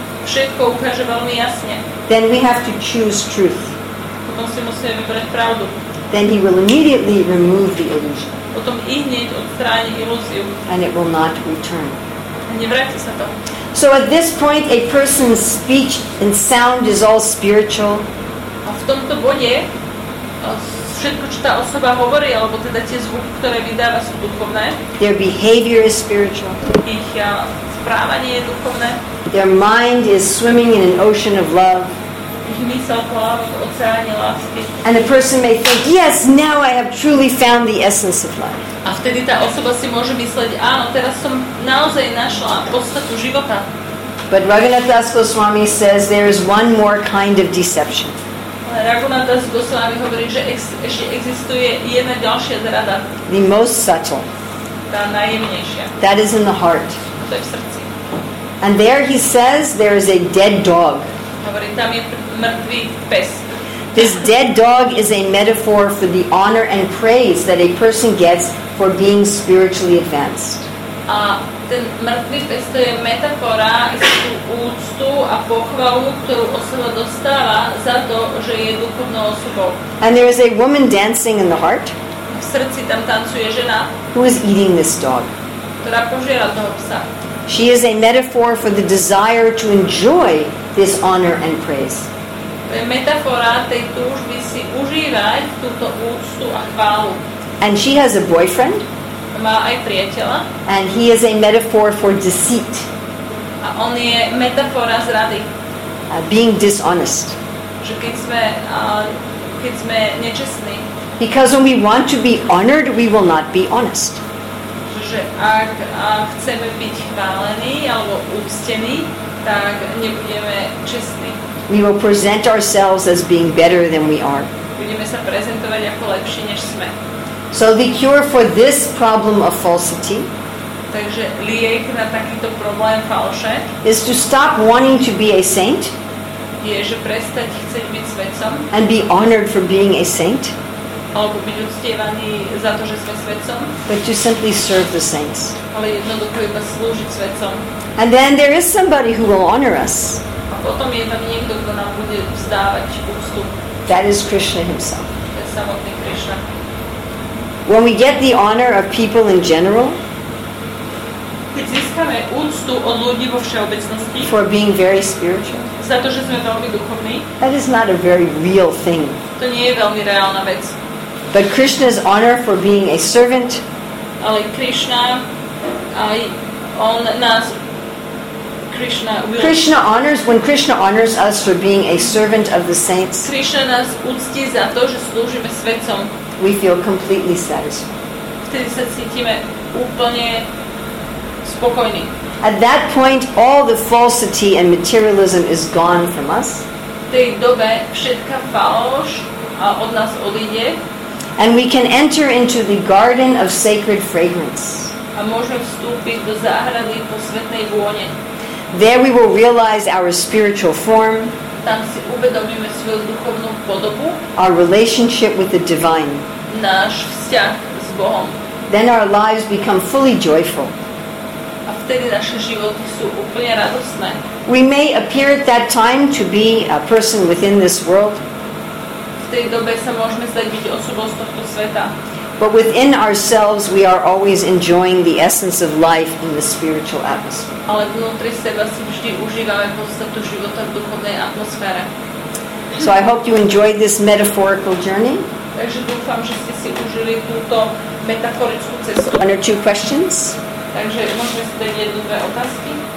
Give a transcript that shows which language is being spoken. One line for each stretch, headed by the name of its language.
Slovak: Všetko ukáže veľmi jasne.
English: Then we have to choose truth.
Slovak: Potom si musíme vybrať pravdu.
English: Then he will immediately remove the illusion.
Slovak: Potom i hneď odstráni ilúziu.
English: And it will not return.
Slovak: A nevráti sa to.
English: So at this point, a person's speech and sound is all spiritual.
Slovak: A v tomto bode všetko, čo tá osoba hovorí, alebo teda tie zvuky, ktoré vydáva, sú duchovné.
English: Their behavior is spiritual.
Slovak: Ich správanie je duchovné.
English: Their mind is swimming in an ocean of love. And a person may think, yes, now I have truly found the essence of life.
Slovak: A vtedy tá osoba si môže mysleť, áno, teraz som naozaj našla podstatu života.
English: But Raghunath Das Goswami says there is one more kind of deception.
Slovak: Raghunath Das Goswami hovorí, že ešte existuje jedna ďalšia zrada.
English: The most subtle.
Slovak: Tá najjemnejšia.
English: That is in the heart.
Slovak: To je v srdci.
English: And there he says there is a dead dog.
Slovak: Hovorí, tam je mŕtvý pes.
English: This dead dog is a metaphor for the honor and praise that a person gets for being spiritually advanced.
Slovak: A ten mŕtvý pes je metafora istú úctu a pochvalu, ktorú osoba dostáva za to, že je duchovnou osobou.
English: And there is a woman dancing in the heart.
Slovak: V srdci tam tancuje žena.
English: Who is eating this dog?
Slovak: Ktorá požiera toho psa.
English: She is a metaphor for the desire to enjoy this honor and praise.
Slovak: To je metafora tej túžby si užívať túto úctu a chválu.
English: And she has a boyfriend.
Slovak: Má aj priateľa.
English: And he is a metaphor for deceit.
Slovak: A on je metafora zrady.
English: Being dishonest.
Slovak: Že keď sme nečestní.
English: Because when we want to be honored, we will not be honest.
Slovak: Že ak chceme byť chválení alebo úctení, tak nebudeme čestní.
English: We will present ourselves as being better than we are.
Slovak: Budeme sa prezentovať ako lepší, než sme.
English: So the cure for this problem of falsity,
Slovak: takže liek na takýto problém falše,
English: is to stop wanting to be a saint,
Slovak: je, že prestať chceť byť svetcom,
English: and be honored for being a saint,
Slovak: alebo byť uctievaný za to, že sme svetcom,
English: but to simply serve the saints.
Slovak: Ale jednoducho iba slúžiť svetcom.
English: And then there is somebody who will honor us.
Slovak: A potom je tam niekto, kto nám bude vzdávať úctu.
English: That is Krishna himself.
Slovak: To je samotný Krishna.
English: When we get the honor of people in general,
Slovak: keď získame úctu od ľudí vo všeobecnosti,
English: for being very spiritual,
Slovak: za to, že sme veľmi duchovní,
English: that is not a very real thing.
Slovak: To nie je veľmi reálna vec.
English: But Krishna's honor for being a servant,
Slovak: ale Krishna, aj on nás
English: Krishna honors when Krishna honors us for being a servant of the saints.
Slovak: Krishna nás uctí za to, že slúžime svetcom.
English: We feel completely satisfied.
Slovak: Vtedy sa cítime úplne spokojní.
English: At that point, all the falsity and materialism is gone from us.
Slovak: V tej dobe všetka falš od nás odíde.
English: And we can enter into the garden of sacred fragrance.
Slovak: A môžeme vstúpiť do záhrady posvetnej vône.
English: There we will realize our spiritual form.
Slovak: Tam si uvedomíme svoju duchovnú podobu.
English: Our relationship with the divine.
Slovak: Náš vzťah s Bohom.
English: Then our lives become fully joyful.
Slovak: A vtedy naše životy sú úplne radosné.
English: We may appear at that time to be a person within this world.
Slovak: V tej dobe sa môžeme zdať byť osobou z tohto sveta.
English: But within ourselves we are always enjoying the essence of life in the spiritual atmosphere.
Slovak: Ale vnútri seba si vždy užívame podstatu života v duchovnej atmosfére.
English: So I hope you enjoyed this metaphorical journey.
Slovak: Takže dúfam, že ste si užili túto metaforickú cestu.
English: One or two questions?
Slovak: Takže môžeme si dať jednu, dve otázky?